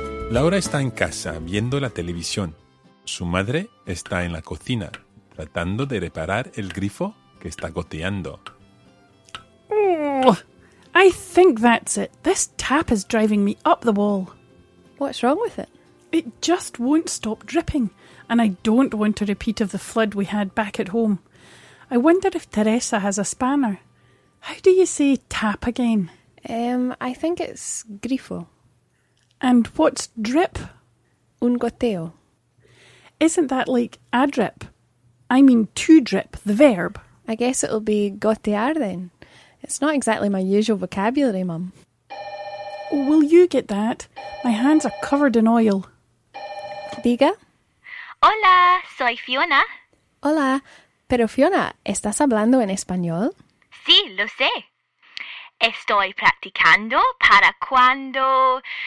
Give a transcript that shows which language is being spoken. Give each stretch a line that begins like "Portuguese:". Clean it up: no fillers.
Spanish: Laura está en casa viendo la televisión. Su madre está en la cocina tratando de reparar el grifo que está goteando.
English: I think that's it. This tap is driving me up the wall. What's wrong with it? It just won't stop dripping, and I don't want a repeat of the flood we had back at home. I wonder if Teresa has a spanner. How do you say tap again? I think it's grifo. And what's drip?
Spanish: Un goteo.
English: Isn't that like a drip? I mean to drip, the verb. I guess it'll be gotear then. It's not exactly my usual vocabulary, Mum. Will you get that? My hands are covered in oil.
Spanish: Diga. Hola, soy Fiona. Hola, pero Fiona, ¿estás hablando en español? Sí, lo sé. Estoy practicando para cuando...